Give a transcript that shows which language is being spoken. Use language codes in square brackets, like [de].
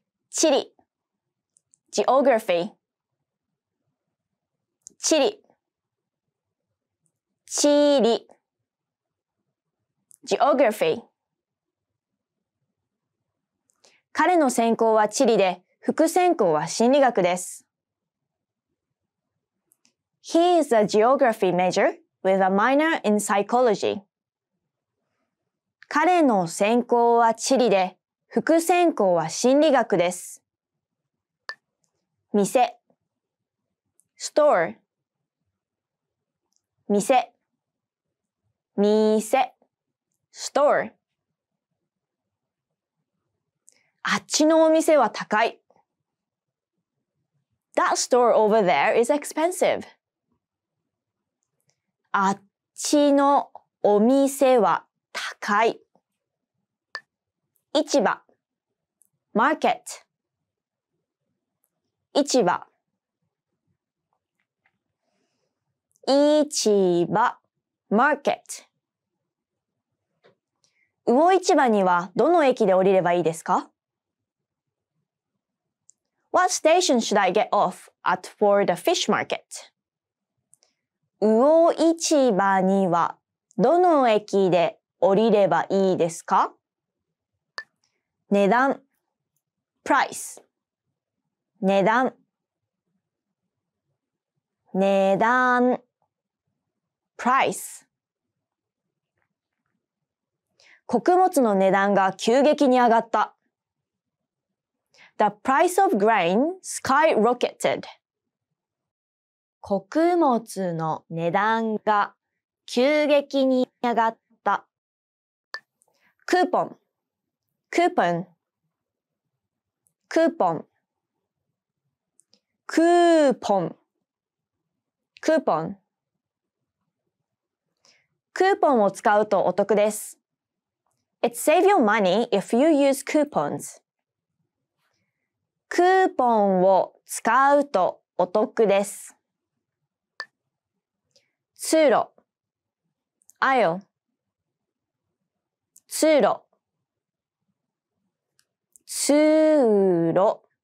[ja] 地理 Geography 地理地理 [en] Geography [ja] 彼の専攻は地理で、副専攻は心理学です。 [en] He is a geography major with a minor in psychology. [ja] 彼の専攻は地理で、副専攻は心理学です。店 [en] store [ja] 店店 [en] store [ja] あっちのお店は高い。 [en] That store over there is expensive. [ja] あっちのお店は高い。市場 market 市場市場 [en] market [ja] 魚市場にはどの駅で降りればいいですか？ [en] What station should I get off at for the fish market? [ja] 魚市場にはどの駅で降りればいいですか？値段 [en] price [ja] 値段値段 [en] price [ja] 穀物の値段が急激に上がった。 [en] The price of grain skyrocketed. [ja] 穀物の値段が急激に上がった。クーポン、クーポン、クーポン、クーポン、クーポン。クーポンを使うとお得です。 [en] It saves your money if you use coupons. [ja] クーポンを使うとお得です。通路 aisle 通路通路